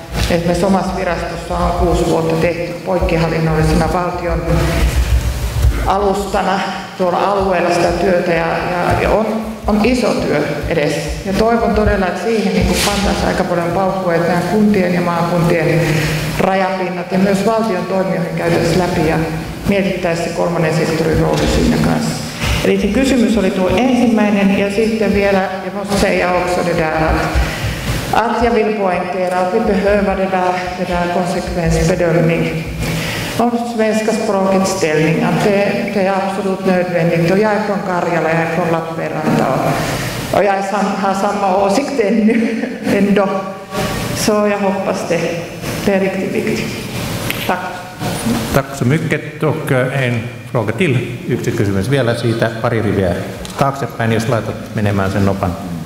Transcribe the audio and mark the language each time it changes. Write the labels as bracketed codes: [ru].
[fi] Esimerkiksi omassa virastossa on 6 vuotta tehty poikkihallinnollisena valtion alustana tuolla alueella sitä työtä ja on iso työ edes. Ja toivon todella, että siihen niin pantaisiin aika paljon paukkuja, että nämä kuntien ja maakuntien rajapinnat ja myös valtion toimijoihin käytäisiin läpi ja mietittäisiin se kolmannen sektorin rooli siinä kanssa. Eli se kysymys oli tuo ensimmäinen ja sitten vielä, ja se ei ole sodan, [sv] att jag vill poängtera att vi behöver det där konsekvensbedömning om svenska språkets ställning, att det är absolut nödvändigt. Och jag är från Karjala, jag är från Lappeenranta och jag har samma åsikt ändå. Så jag hoppas det är riktigt viktigt. Tack. Tack så mycket och en fråga till. [fi] Yksi kysymys vielä siitä pari riviä taaksepäin, jos laitat menemään sen nopan.